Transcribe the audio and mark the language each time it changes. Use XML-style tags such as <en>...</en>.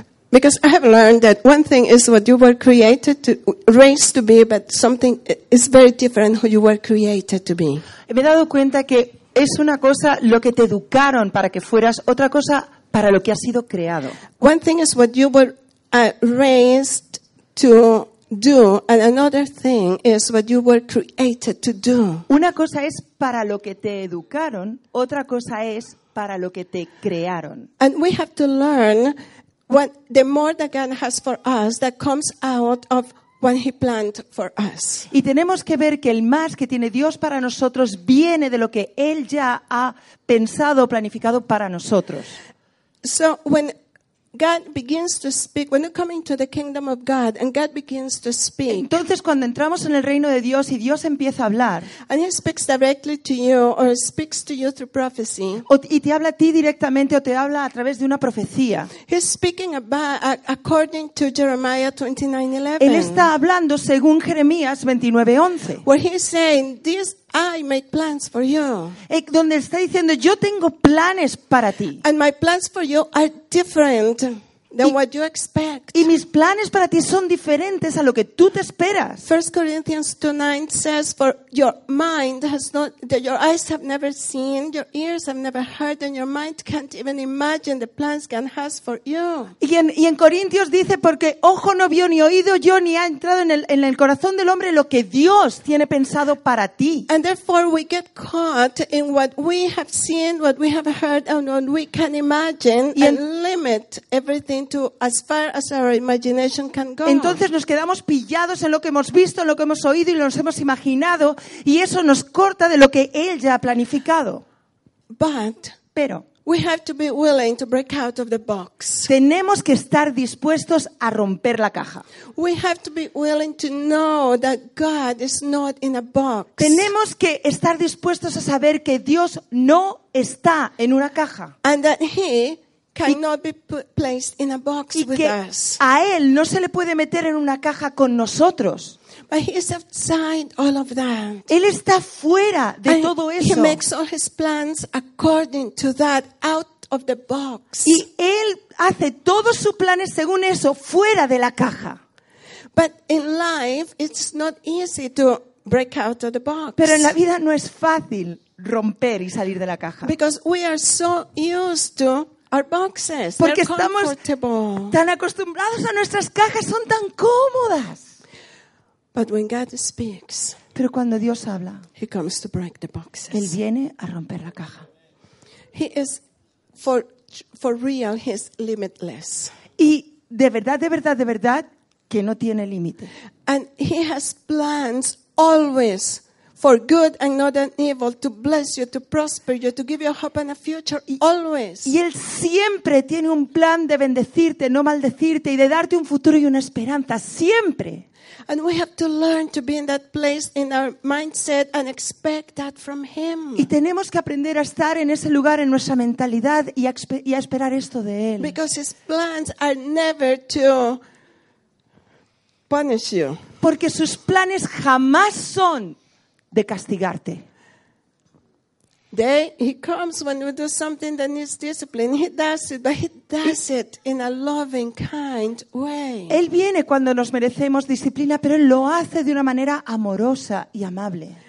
<en>Because I have learned that one thing is what you were created to raised to be, but something is very different who you were created to be.</en> <es>Me he dado cuenta que es una cosa lo que te educaron para que fueras, otra cosa para lo que has sido creado.</es> <en>One thing is what you were raised to do, and another thing is what you were created to do.</en> <es>Una cosa es para lo que te educaron, otra cosa es para lo que te crearon.</es> <en>And we have to learn what the more that God has for us that comes out of what He planned for us.</en> <es>Y tenemos que ver que el más que tiene Dios para nosotros viene de lo que Él ya ha pensado, planificado para nosotros.</es> <en>So when God begins to speak, when you come into the kingdom of God and God begins to speak.</en> <es>Entonces cuando entramos en el reino de Dios y Dios empieza a hablar.</es> <en>And He speaks directly to you or speaks to you through prophecy.</en> <es>Y te habla a ti directamente o te habla a través de una profecía.</es> <en>He's speaking according to Jeremiah 29:11.</en> <es>Él está hablando según Jeremías 29:11.</es> <en>Where he's saying this, I make plans for you.</en> <es>Donde está diciendo yo tengo planes para ti.</es> <en>And my plans for you are different than what you expect.</en> <es>Y mis planes para ti son diferentes a lo que tú te esperas.</es> <en>1 Corinthians 2:9 says, for your mind has not, that your eyes have never seen, your ears have never heard, and your mind can't even imagine the plans God has for you.</en> <es>Y en Corintios dice, porque ojo no vio ni oído yo, ni ha entrado en el corazón del hombre lo que Dios tiene pensado para ti.</es> <en>And therefore we get caught in what we have seen, what we have heard, and what we can imagine, and limit everything. Into as far as our imagination can go.</en> <es>Entonces nos quedamos pillados en lo que hemos visto, en lo que hemos oído y lo que nos hemos imaginado, y eso nos corta de lo que Él ya ha planificado. Pero</es> <en>we have to be willing to break out of the box.</en> <es>Tenemos que estar dispuestos a romper la caja.</es> <en>We have to be willing to know that God is not in a box.</en> <es>Tenemos que estar dispuestos a saber que Dios no está en una caja.</es> <en>And that He cannot be placed in a box with us.</en> <es>A Él no se le puede meter en una caja con nosotros.</es> <en>But He is outside all of that.</en> <es>Él está fuera de todo eso.</es> <en>He makes all His plans according to that, out of the box.</en> <es>Y Él hace todos sus planes según eso, fuera de la caja.</es> <en>But in life, it's not easy to break out of the box.</en> <es>Pero en la vida no es fácil romper y salir de la caja.</es> <en>Because we are so used to our boxes.</en> <es>Porque estamos tan acostumbrados a nuestras cajas, son tan cómodas.</es> <en>But when God speaks,</en> <es>pero cuando Dios habla,</es> <en>He comes to break the boxes.</en> <es>Él viene a romper la caja.</es> <en>He is for real, He is limitless.</en> <es>Y de verdad, de verdad, de verdad, que no tiene límite.</es> <en>And He has plans always. For good and not an evil, to bless you, to prosper you, to give you a hope and a future, always.</en> <es>Y Él siempre tiene un plan de bendecirte, no maldecirte, y de darte un futuro y una esperanza, siempre.</es> <en>And we have to learn to be in that place in our mindset and expect that from Him.</en> <es>Y tenemos que aprender a estar en ese lugar en nuestra mentalidad y a esperar esto de Él.</es> <en>Because His plans are never to punish you.</en> <es>Porque sus planes jamás son de castigarte.</es> <en>He comes when we do something that needs discipline. He does it, but He does it in a loving, kind way.</en> <es>Él viene cuando nos merecemos disciplina, pero Él lo hace de una manera amorosa y amable.</es>